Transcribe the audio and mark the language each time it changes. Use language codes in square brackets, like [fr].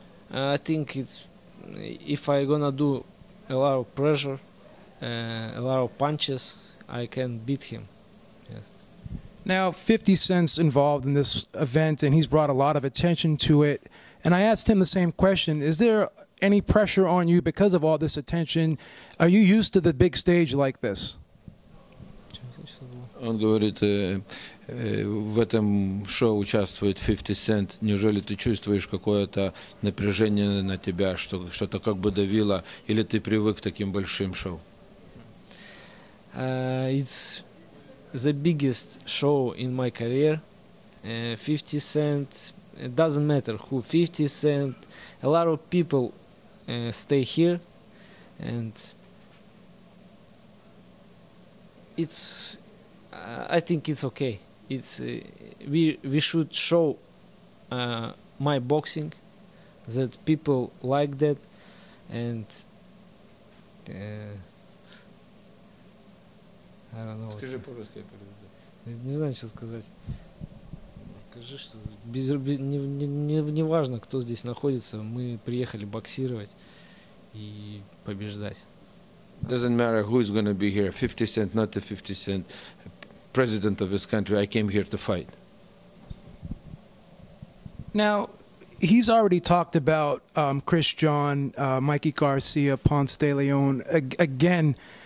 [en] I think it's if I gonna do a lot of pressure, a lot of punches, I can beat him. Yes. Now, 50 Cent's involved in this event, and he's brought a lot of attention to it. And I asked him the same question. Is there any pressure on you because of all this attention? Are you used to the big stage like this? [ru] Он говорит, в этом шоу участвует 50 Cent. Неужели ты чувствуешь какое-то напряжение на тебя, что что-то как бы давило, или ты привык к таким большим шоу? [en] It's the biggest show in my career. 50 Cent, it doesn't matter who, 50 Cent, a lot of people stay here, and it's... I think it's okay. It's we should show my boxing that people like that, and I don't know. [ru] Скажи по-русски, я переведу. Не знаю, что сказать. Скажи, что не важно, кто здесь находится. Мы приехали боксировать и побеждать. [en] Doesn't matter who is going to be here. 50 Cent, not the 50 Cent. President of his country, I came here to fight. Now, he's already talked about Chris John, Mikey Garcia, Ponce de Leon again.